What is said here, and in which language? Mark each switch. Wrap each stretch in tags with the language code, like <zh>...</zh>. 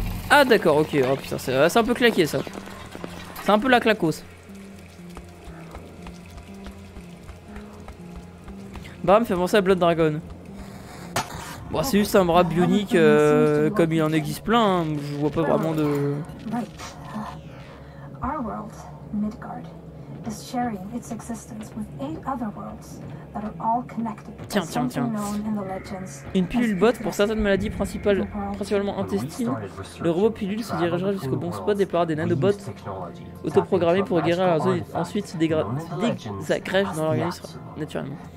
<fr>Ah d'accord, ok. Oh putain, c'est un peu claqué ça. C'est un peu la claquos. Bah, me fait penser à Blood Dragon. Bon, c'est juste un bras bionique, comme il en existe plein, hein. Je vois pas vraiment de...</fr> <en>Right. Our world, Midgard, is sharing its existence with eight other worlds that are all connected.</en> <fr>Tiens, tiens, tiens. Une pilule botte pour certaines maladies principales, principalement intestines. Le robot pilule se dirigera jusqu'au bon spot et par des nanobots autoprogrammés pour guérir leurs zone et ensuite s'agrègent dans l'organisme naturellement.</fr>